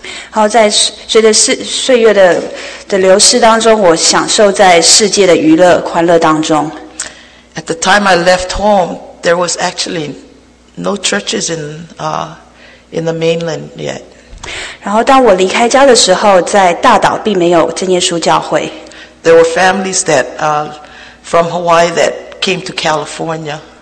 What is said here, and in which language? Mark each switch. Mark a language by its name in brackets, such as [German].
[Chinese] 好，在随着岁月的流逝当中，我享受在世界的娱乐欢乐当中。 [English] At the time I left home, there was actually no churches in the mainland yet. [Chinese] 然后当我离开家的时候，在大岛并没有正耶稣教会。 [English] There were families that from Hawaii that came to California.